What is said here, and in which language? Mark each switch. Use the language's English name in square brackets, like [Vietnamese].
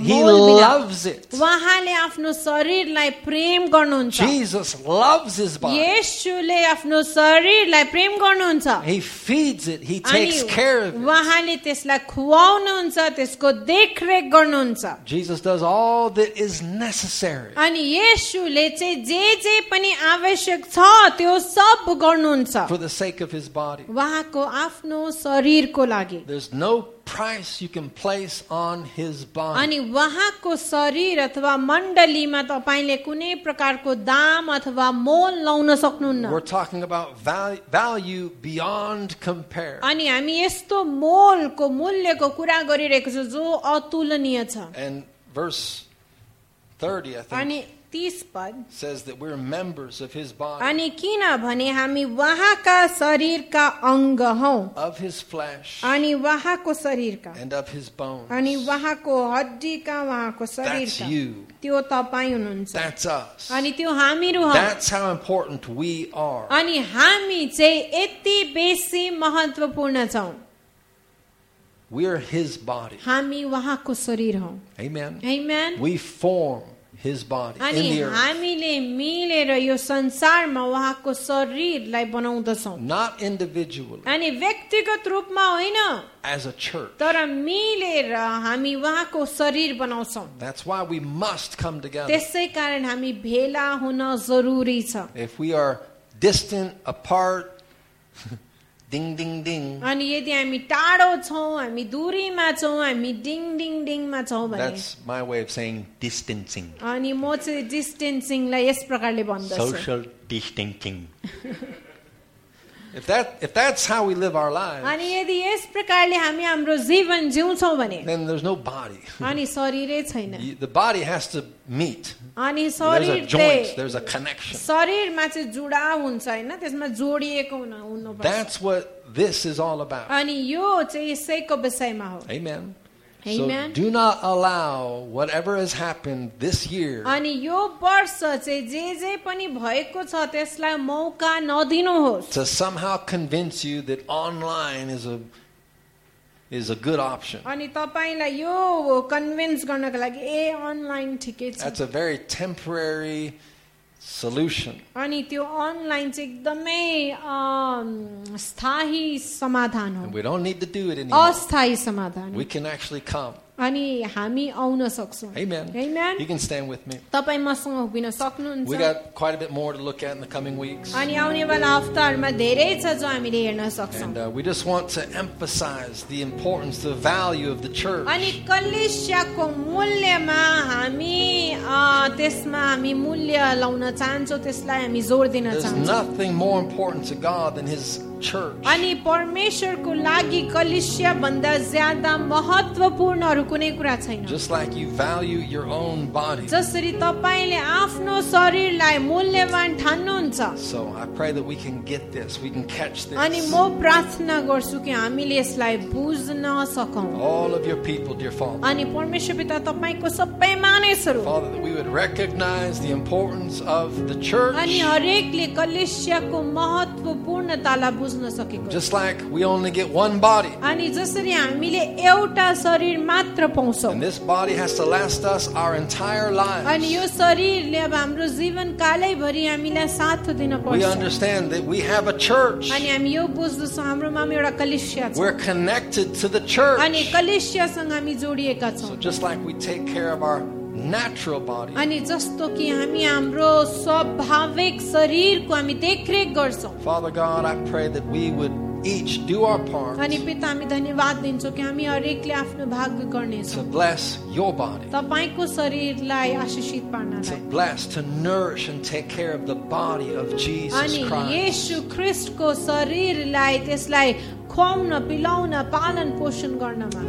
[English] He loves it. [Nepali] वहाँले आफ्नो शरीरलाई प्रेम गर्नुहुन्छ. [English] Jesus loves his body. [Nepali] येशूले आफ्नो शरीरलाई प्रेम गर्नुहुन्छ. [English] He feeds it. He takes care of it. [Nepali] वहाँले त्यसलाई खुवाउनुहुन्छ, त्यसको देखरेख गर्नुहुन्छ. [English] Jesus does all that is necessary. [Nepali] अनि येशूले चाहिँ जे जे पनि आवश्यक छ त्यो सब गर्नुहुन्छ. [English] For the sake of his body. [Nepali] वहाँको आफ्नो शरीरको लागि. [English] There's no price you can place on his body. [Nepali] अनि वहाको शरीर अथवा मण्डलीमा तपाईले कुनै प्रकारको दाम अथवा मोल लाउन सक्नुहुन्न. [English] We're talking about value beyond compare. [Nepali] अनि हामी यस्तो मोलको मूल्यको कुरा गरिरहेको छ जो अतुलनीय छ. [English] And verse 30 I think. Says that we're members of his body. [Nepali] अनि किनभने हामी वहाका शरीरका अङ्ग हौं. [English] Of his flesh. [Nepali] अनि वहाको शरीरका. [English] And of his bones. [Nepali] अनि वहाको हड्डीका वहाको शरीरका. [English] That's you. [Nepali] त्यो तपाई हुनुहुन्छ. [English] That's us. [Nepali] अनि त्यो हामीहरू हौं. [English] That's how important we are. [Nepali] अनि हामी चाहिँ यति बेसी महत्त्वपूर्ण छौं. [English] We are his body. [Nepali] हामी वहाको शरीर हौं. [English] Amen. Amen. We form his body [Nepali] अनि [English] in the earth. [Nepali] हामीले मिलेर यो संसारमा वहाको शरीरलाई बनाउँदछौं. [English] Not individually. [Nepali] अनि व्यक्तिगत रूपमा होइन. [English] As a church. [Nepali] तर मिलेर हामी वहाको शरीर बनाउँछौं. [English] That's why we must come together. [Nepali] त्यसै कारण हामी भेला हुन जरुरी छ. [English] If we are distant, apart, ding ding ding. [Nepali] अनि यदि हामी टाढो छौं, हामी दूरीमा छौं, हामी ding ding ding मा छौं भने. [English] That's my way of saying distancing. [Nepali] अनि म चाहिँ distancing लाई यस प्रकारले भन्दछु. [English] Social distancing. If that's how we live our lives. [Nepali] अनि यदि यस प्रकारले हामी हाम्रो जीवन जिउँछौं भने. [English] Then there's no body. [Nepali] अनि शरीरै छैन. [English] The body has to meet. [Nepali] अनि [English] there's a connection. [Nepali] शरीरमा चाहिँ जुडाव हुन्छ हैन त्यसमा जोडिएको हुनुपर्छ. [English] That's what this is all about. [Nepali] अनि यो चाहिँ यसैको विषयमा हो. [English] Amen. Amen. So do not allow whatever has happened this year. [Nepali] अनि यो वर्ष चाहिँ जे जे पनि भएको छ त्यसलाई मौका नदिनुहोस्. [English] To somehow convince you that online is a good option. [Nepali] अनि तपाईलाई यो कन्भिन्स गर्नको लागि ए अनलाइन ठिकै छ. [English] That's a very temporary solution. [Nepali] अनि त्यो अनलाइन चाहिँ एकदमै स्थायी समाधान हो. [English] We don't need to do it anymore. [Nepali] अस्थायी समाधान. [English] We can actually come. [Nepali] अनि हामी आउन सक्छौ. [English] Amen. Amen. You can stand with me. [Nepali] तपाई मसँग उभिन सक्नुहुन्छ. [English] We got quite a bit more to look at in the coming weeks. [Nepali] अनि आउनेवाला हप्ताहरुमा धेरै छ जो हामीले हेर्न सक्छौ. [English] And we just want to emphasize the importance, the value of the church. [Nepali] अनि कलिसियाको मूल्यमा हामी त्यसमा हामी मूल्य लाउन चाहन्छौ त्यसलाई हामी जोड दिन चाहन्छौ. [English] There's nothing more important to God than his church. [Nepali] अनि परमेश्वरको लागि कलिसिया भन्दा ज्यादा महत्त्वपूर्ण [English] Just like you value your own body. [Nepali] जसरी तपाईले आफ्नो शरीरलाई मूल्यवान ठान्नुहुन्छ. [English] So I pray that we can get this, we can catch this. [Nepali] अनि म प्रार्थना गर्छु कि हामीले यसलाई बुझ्न सकौं. [English] All of your people, dear Father. [Nepali] अनि परमेश्वर पिता तपाईको सबै मानिसहरू. [English] Father, that we would recognize the importance of the church. [Nepali] अनि हरेकले कलिसियाको महत्त्वपूर्णतालाई बुझ्न सकेको. [English] Just like we only get one body. [Nepali] अनि जसरी हामीले एउटा शरीर [English] And this body has to last us our entire lives. [Nepali] अनि यो शरीरले अब हाम्रो जीवन कालै भरि हामीलाई साथ दिन पर्छ. [English] We understand that we have a church. [Nepali] अनि हामी यो बुझ्छौं हाम्रोमा एउटा कलिसिया छ. [English] We're connected to the church. [Nepali] अनि कलिसियासँग हामी जोडिएका छौं. [English] So just like we take care of our natural body. [Nepali] अनि जस्तो कि हामी हाम्रो स्वाभाविक शरीरको हामी देखरेख गर्छौं. [English] Father God, I pray that we would each do our part. [Nepali] अनि पिता हामी धन्यवाद दिन्छौ कि हामी हरेकले आफ्नो भाग गर्ने छौ. [English] To bless your body. [Nepali] तपाईको शरीरलाई आशिषित पार्नलाई. [English] To bless, to nourish and take care of the body of Jesus Christ. [Nepali] अनि येशु ख्रीष्टको शरीरलाई त्यसलाई खुवाउन, पिलाउन, पालन पोषण गर्नमा.